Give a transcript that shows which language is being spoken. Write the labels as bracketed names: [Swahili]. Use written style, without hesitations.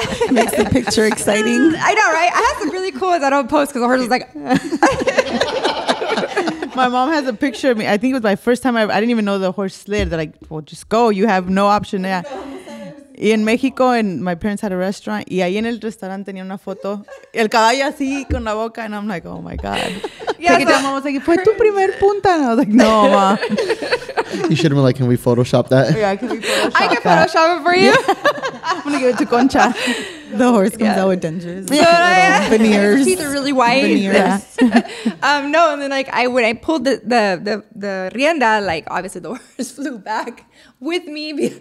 [English] It makes the picture exciting. I know, right? I have some really cool ones I don't post because the horse was like... My mom has a picture of me. I think it was my first time. I didn't even know the horse slid. They're like, well, just go. You have no option. Yeah. [Spanish] Y en Mexico, [English] and my parents had a restaurant. [Spanish] Y ahí en el restaurante tenía una foto. El caballo así con la boca. [English] And I'm like, oh, my God. Yeah, so down, mom was like, [Spanish] fue tu primer punta. [English] And I was like, no, ma. You should have been like, can we Photoshop that? Yeah, can we Photoshop I can that? Photoshop it for you. Yeah. I'm going to give it to Concha. The horse comes out with dentures. Yeah. Little veneers. His teeth are really white. Veneers. Yeah. No, and then like when I pulled the rienda, like obviously the horse flew back with me.